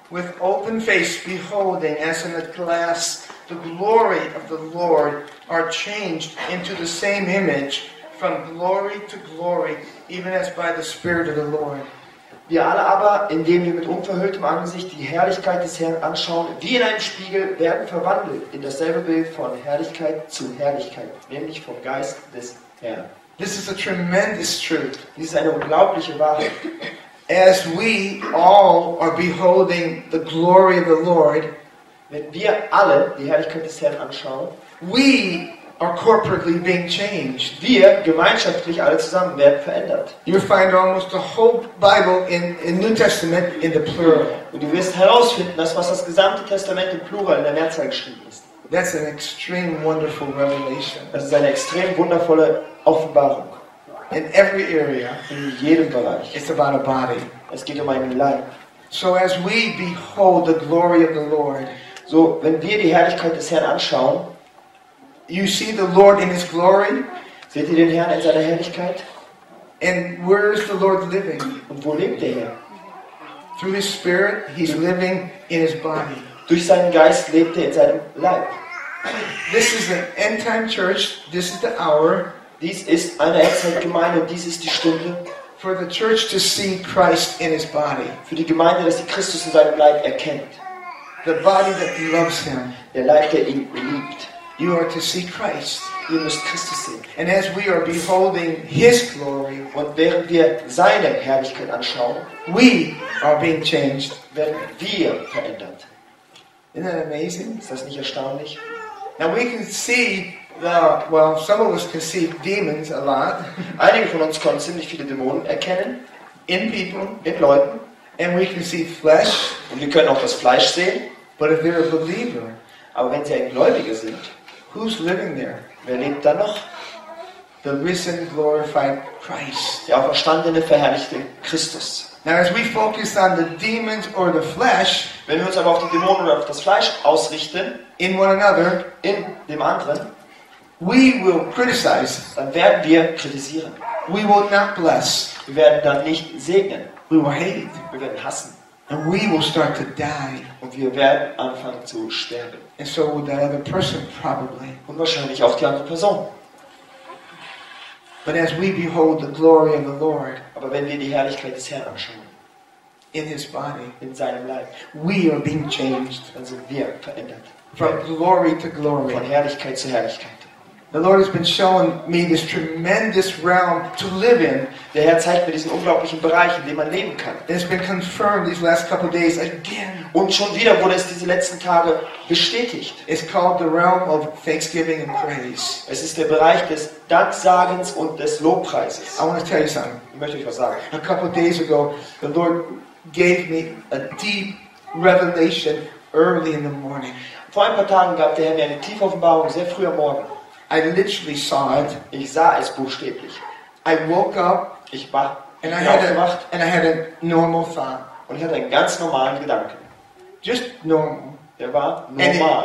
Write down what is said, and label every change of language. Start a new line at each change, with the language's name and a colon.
English: with open face, beholding as in a glass the glory of the Lord, are changed into the same image from glory to glory, even as by the Spirit of the Lord.
German: Wir alle aber, indem wir mit unverhülltem Angesicht die Herrlichkeit des Herrn anschauen, wie in einem Spiegel, werden verwandelt in dasselbe Bild von Herrlichkeit zu Herrlichkeit, nämlich vom Geist des Herrn.
English: This is a tremendous truth.
German: Dies ist eine unglaubliche Wahrheit.
English: As we all are beholding the glory of the Lord,
German: wenn wir alle die Herrlichkeit des Herrn anschauen,
English: we are corporately being changed.
German: Wir gemeinschaftlich alle zusammen werden verändert.
English: You find almost the whole Bible in New Testament in the plural.
German: Und du wirst herausfinden, dass was das gesamte Testament im Plural in der Mehrzahl geschrieben ist.
English: That's an extreme wonderful revelation.
German: Das ist eine extrem wundervolle Offenbarung.
English: In every area,
German: in jedem Bereich,
English: it's about a body.
German: Es geht um einen Leib.
English: So as we behold the glory of the Lord,
German: so wenn wir die Herrlichkeit des Herrn anschauen,
English: you see the Lord in His glory.
German: Seht ihr den Herrn in seiner Herrlichkeit?
English: And where is the Lord living?
German: Und wo lebt der Herr?
English: Through His Spirit, He's living in His body.
German: Durch seinen Geist lebt er in seinem Leib.
English: This is an end-time church. This is the hour.
German: Dies ist eine Endzeitgemeinde und dies ist die Stunde
English: for the church to see Christ in his body.
German: Für die Gemeinde, dass sie Christus in seinem Leib erkennt.
English: The body that loves him.
German: Der Leib, der ihn liebt.
English: You are to see Christ.
German: Ihr müsst Christus sehen.
English: And as we are beholding his glory,
German: und während wir seine Herrlichkeit anschauen,
English: we are being changed.
German: Werden wir verändert.
English: Isn't that amazing?
German: Ist das nicht erstaunlich?
English: Now we can see some of us can see demons a lot.
German: Einige von uns können ziemlich viele Dämonen erkennen.
English: In people,
German: in Leuten.
English: And we can see flesh.
German: Und wir können auch das Fleisch sehen.
English: But if they're a believer,
German: aber wenn sie ein Gläubiger sind,
English: who's living there?
German: Wer lebt da noch?
English: The risen, glorified Christ.
German: Der auferstandene, verherrlichte Christus.
English: Now as we focus on the demons or the flesh,
German: wenn wir uns aber auf die Dämonen oder auf das Fleisch ausrichten,
English: in one another,
German: in dem anderen,
English: we will criticize.
German: Dann werden wir kritisieren.
English: We will not bless.
German: Wir werden dann nicht segnen.
English: We will hate.
German: Wir werden hassen.
English: And we will start to die.
German: Und wir werden anfangen zu sterben.
English: And so will that other person probably.
German: Und wahrscheinlich auch die andere Person.
English: But as we behold the glory of the Lord,
German: aber wenn wir die Herrlichkeit des Herrn anschauen,
English: in His body,
German: in seinem Leib,
English: we are being changed.
German: Dann sind wir verändert.
English: From glory to glory.
German: Von Herrlichkeit zu Herrlichkeit.
English: The Lord has been showing me this tremendous realm to live in.
German: Der Herr zeigt mir diesen unglaublichen Bereich, in dem man leben kann.
English: It has been confirmed these last couple of days again.
German: Und schon wieder wurde es diese letzten Tage bestätigt.
English: It's called the realm of thanksgiving and praise.
German: Es ist der Bereich des Danksagens und des Lobpreises.
English: I want to tell you something.
German: Ich möchte euch was sagen.
English: A couple of days ago, the Lord gave me a deep revelation early in the morning.
German: Vor ein paar Tagen gab der Herr mir eine tiefe Offenbarung sehr früh am Morgen.
English: I literally saw it.
German: Ich sah es buchstäblich.
English: I woke up.
German: Ich war aufgewacht.
English: And I had a normal thought.
German: Und ich hatte einen ganz normalen Gedanken.
English: Just normal.
German: Der war normal.